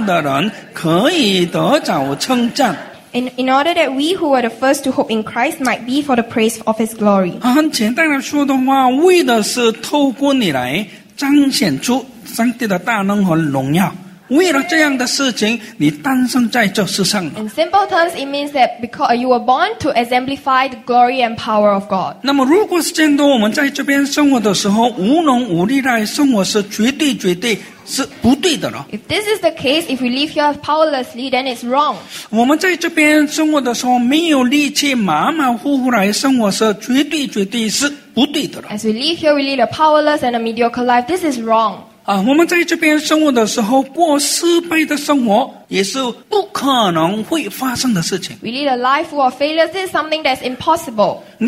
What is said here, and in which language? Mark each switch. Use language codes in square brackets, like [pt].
[zh] 请招他的荣耀从我们这首先在基督里有盼望的人可以得着称赞。 [en] In order that we who were the first to hope in Christ might be for the praise of His glory. [zh] 很简单的说的话，为的是透过你来彰显出上帝的大能和荣耀。为了这样的事情，你诞生在这世上了。 [en] In simple terms, it means that because you were born to exemplify the glory and power of God. [zh] 那么，如果是这样的，我们在这边生活的时候无能无力，生活是绝对是不对的了。 [en] If this is the case, if we live here powerlessly, then it's wrong. [zh] 我们在这边生活的时候没有力气，马马虎虎来生活是绝对是不对的了。 [en] As we live here, we lead a powerless and a mediocre life. This is wrong. [zh] 我们在这边生活的时候，过失败的生活也是不可能会发生的事情。 [en] We lead a life full of failures. This is something that's impossible.